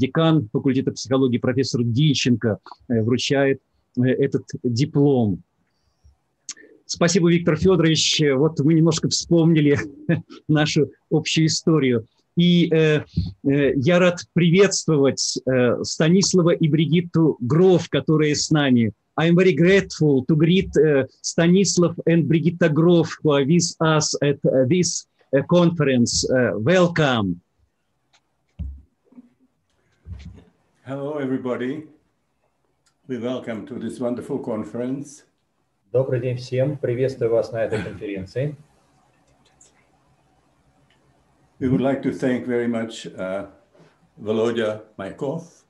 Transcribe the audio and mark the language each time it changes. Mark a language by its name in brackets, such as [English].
[Russian] Декан факультета психологии профессор Динченко вручает этот диплом. Спасибо, Виктор Федорович. Вот мы немножко вспомнили нашу общую историю. И я рад приветствовать Станислава и Бригитту Гроф, которые с нами. [English] I'm very grateful to greet Stanislav and Brigitte Grof who are with us at this conference. Welcome. Hello, everybody. We welcome to this wonderful conference. [Russian] Добрый день всем. Приветствую вас на этой конференции. [English] We would like to thank very much Volodya Maykov.